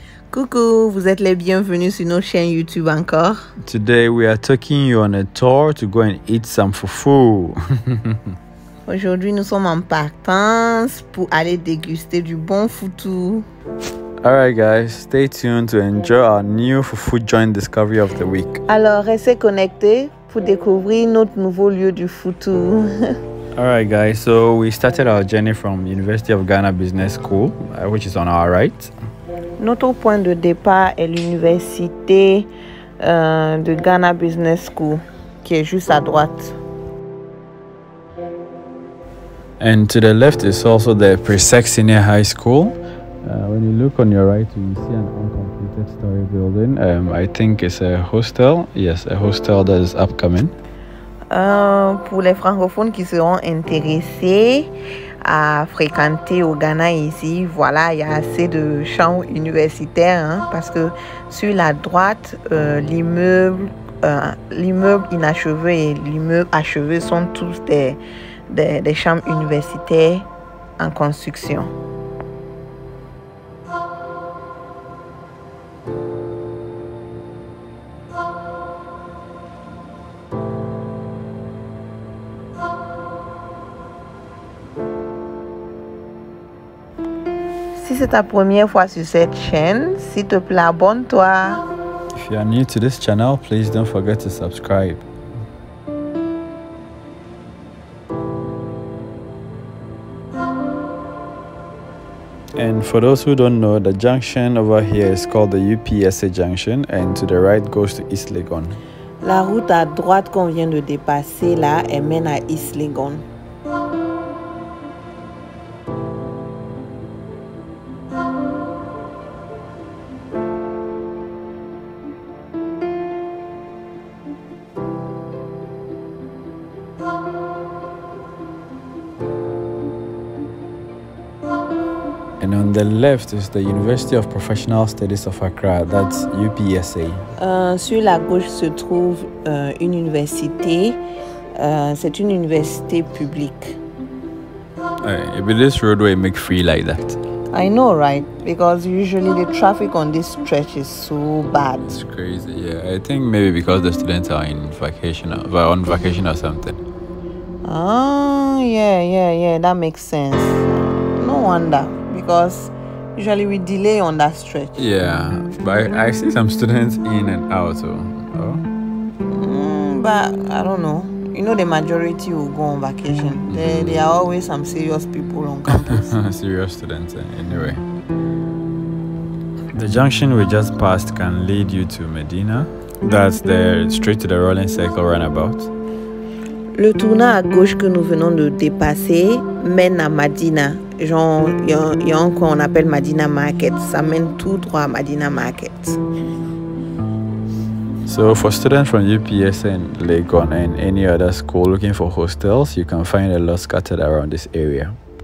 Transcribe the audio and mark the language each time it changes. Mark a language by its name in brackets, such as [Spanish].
[French] Coucou, vous êtes les bienvenus sur notre chaîne YouTube encore. [English] Today we are taking you on a tour to go and eat some fufu. [French] Aujourd'hui nous sommes en partance pour aller déguster du bon fufu. [English] Alright guys, stay tuned to enjoy our new fufu joint discovery of the week. [French] Alors restez connectés pour découvrir notre nouveau lieu du fufu. [English] Alright guys, so we started our journey from University of Ghana Business School, which is on our right. [French] Notre point de départ est l'université de Ghana Business School, qui est juste à droite. [English] And to the left is also the Presec Senior High School. When you look on your right, you see an uncompleted story building. I think it's a hostel. Yes, a hostel that is upcoming. [French] Pour les francophones qui seront intéressés à fréquenter au Ghana ici, voilà, il y a assez de chambres universitaires hein, parce que sur la droite, l'immeuble inachevé et l'immeuble achevé sont tous des chambres universitaires en construction. Si c'est ta première fois sur cette chaîne, s'il te plaît, abonne-toi. [English] If you are new to this channel, please don't forget to subscribe. And for those who don't know, the junction over here is called the UPSA junction and to the right goes to East Legon. [French] La route à droite qu'on vient de dépasser là, elle mène à East Legon. [English] And on the left is the University of Professional Studies of Accra, that's UPSA. [French] Sur la gauche se trouve une université, c'est une université publique. [English] Maybe this roadway make free like that. I know, right? Because usually the traffic on this stretch is so bad. It's crazy, yeah. I think maybe because the students are on vacation or something. Yeah, that makes sense. No wonder. Because usually we delay on that stretch. Yeah, but I see some students in and out, so. But I don't know. You know, the majority will go on vacation. Mm-hmm. There are always some serious people on campus. Serious students, anyway. The junction we just passed can lead you to Madina. That's the straight to the rolling circle runabout. [French] Le tournant à gauche que nous venons de dépasser mène à Madina. Genre, il y a un coin qu'on appelle Madina Market. Ça mène tout droit à Madina Market. [English] So, for students from UPSA and Legon and any other school looking for hostels, you can find a lot scattered around this area.